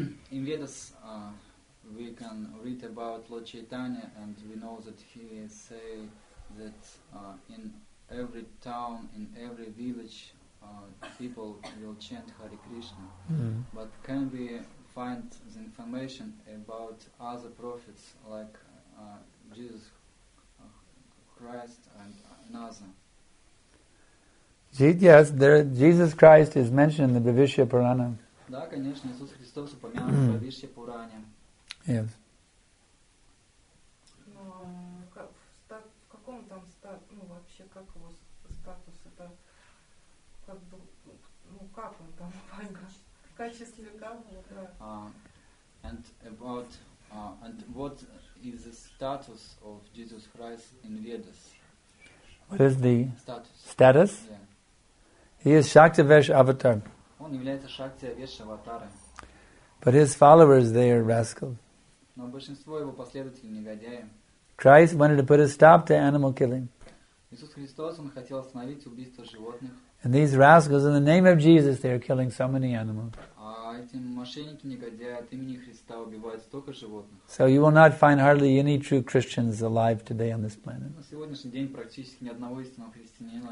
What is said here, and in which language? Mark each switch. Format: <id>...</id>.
<en>In Vedas, we can read about Lord Chaitanya, and we know that he say that in every town, in every village, people will chant Hare Krishna. Mm-hmm. But can we find the information about other prophets like Jesus Christ and another? Yes, there, Jesus Christ is mentioned in the Bhavishya Purana.</en> <ru>Да, конечно, Иисус Христос упомянут в Бхавишья Пуране.</ru> <en>Yes.</en> <ru>Ну, в каком там статусе, ну, вообще, как его статус, это, как бы, ну, как он там, в качестве кого, да.</ru> <en>And about, and what is the status of Jesus Christ in Vedas? What is the status? Status? Yeah. He is Shaktivesh Avatar.</en> <ru>Он является Шакти-Авеш Аватара.</ru> <en>But his followers, they are rascals.</en> <ru>Но большинство его последователей негодяи.</ru> <en>Christ wanted to put a stop to animal killing.</en> <ru>Иисус Христос, он хотел остановить убийство животных.</ru> <en>And these rascals, in the name of Jesus, they are killing so many animals.</en> <ru>А эти мошенники негодяи от имени Христа убивают столько животных.</ru> <en>So you will not find hardly any true Christians alive today on this planet.</en> <ru>На сегодняшний день практически ни одного истинного христианина.</ru>